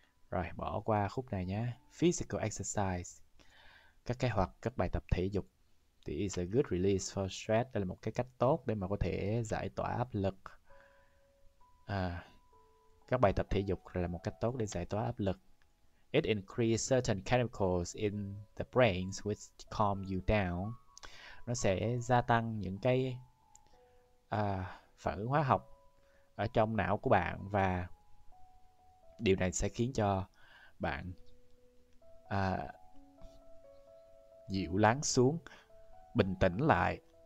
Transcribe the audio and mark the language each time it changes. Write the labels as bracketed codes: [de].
[vi] Rồi, bỏ qua khúc này nhé. [en] Physical exercise. [vi] Các bài tập thể dục. [en] Thì is a good release for stress. [vi] Đây là một cái cách tốt để mà có thể giải tỏa áp lực. Các bài tập thể dục là một cách tốt để giải tỏa áp lực. [en] It increases certain chemicals in the brain which calm you down. [vi] Nó sẽ gia tăng những cái phản ứng hóa học ở trong não của bạn và điều này sẽ khiến cho bạn dịu lắng xuống, bình tĩnh lại.